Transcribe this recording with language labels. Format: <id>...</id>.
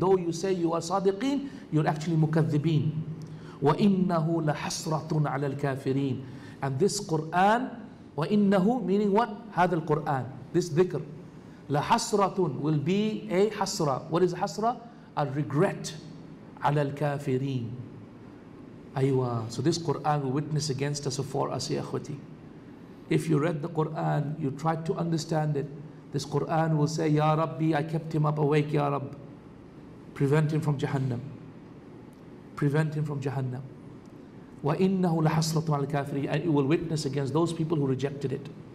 <en>Though you say you are sadiqeen, you're actually mukaddibin.</en> <ar>وَإِنَّهُ لَحَسْرَةٌ عَلَى الْكَافِرِينَ</ar> <en>And this Qur'an, وَإِنَّهُ meaning what?</en> <ar>هَذَا الْقُرْآنِ</ar> <en>This dhikr. لَحَسْرَةٌ will be a hasra. What is a hasra? A regret.</en> <ar>عَلَى الْكَافِرِينَ Aywa.</ar> <en>So this Qur'an will witness against us for us, ya akhwati. If you read the Qur'an, you tried to understand it, this Qur'an will say, Ya Rabbi, I kept him up awake, Ya Rabb. Prevent him from Jahannam. Prevent him from Jahannam.</en> <ar>وَإِنَّهُ لَحَسْرَةٌ عَلَى الْكَافِرِينَ</ar> <en>And it will witness against those people who rejected it.</en>